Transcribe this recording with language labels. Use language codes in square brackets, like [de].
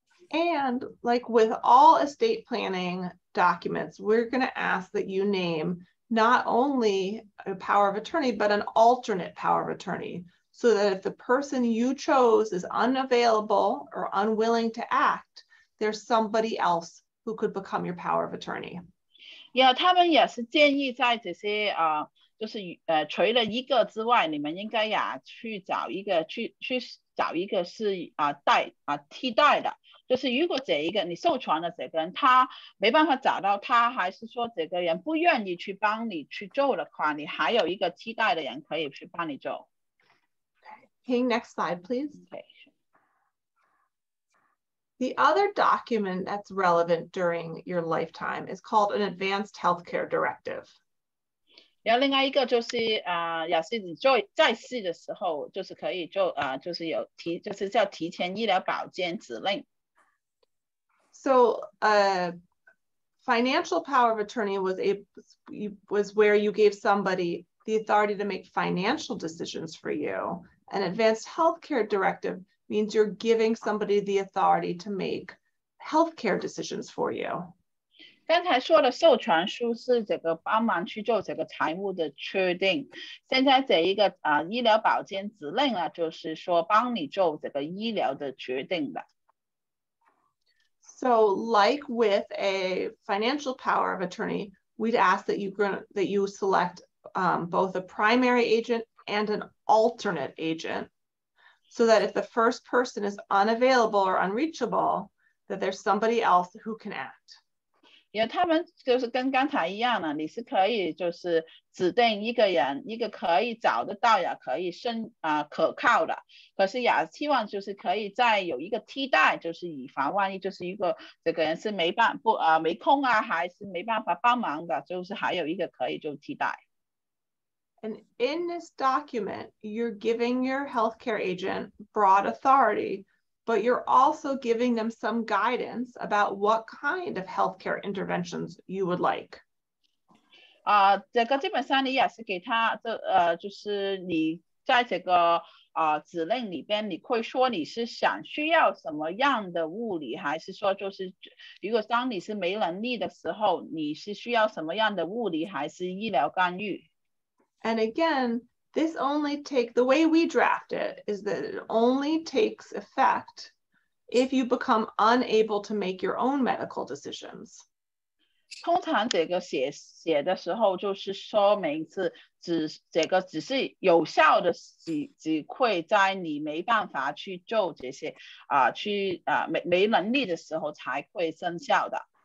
[en] And like with all estate planning documents, we're going to ask that you name not only a power of attorney, but an alternate power of attorney. So that if the person you chose is unavailable or unwilling to act, there's somebody else who could become your power of attorney. [zh] Yeah, 他们也是建议在这些就是除了一个之外，你们应该也去找一个去找一个是替代的。就是如果这一个你授权的这个人他没办法找到他，还是说这个人不愿意去帮你去做的话，你还有一个替代的人可以去帮你做。 [en] Okay, King, next slide, please. Okay. The other document that's relevant during your lifetime is called an Advanced Healthcare Directive. [zh] 然后另外一个就是也是你做在世的时候就是可以做就是有提就是叫提前医疗保健指令。 [en] So, financial power of attorney was where you gave somebody the authority to make financial decisions for you. An advanced healthcare directive means you're giving somebody the authority to make healthcare decisions for you. [zh] 刚才说的授权书是这个帮忙去做这个财务的确定，现在这一个医疗保健指令啊，就是说帮你做这个医疗的决定的。 [en] So like with a financial power of attorney, we'd ask that you select both a primary agent and an alternate agent, so that if the first person is unavailable or unreachable, that there's somebody else who can act. [zh] 因为他们就是跟刚才一样的，你是可以就是指定一个人，一个可以找得到也可以可靠的，可是也希望就是可以再有一个替代，就是以防万一，就是一个这个人是没办法没空啊，还是没办法帮忙的，就是还有一个可以就替代。 [en] And in this document, you're giving your healthcare agent broad authority. But you're also giving them some guidance about what kind of healthcare interventions you would like. [zh] 这个基本上你也是给他，就是你在这个指令里边，你会说你是想需要什么样的物理，还是说就是如果当你是没能力的时候，你是需要什么样的物理还是医疗干预？ [en] And again,This only takes, the way we draft it is that it only takes effect if you become unable to make your own medical decisions. [zh] 通常这个写的时候就是说明是这个只是有效的只会在你没办法去做这些没能力的时候才会生效的。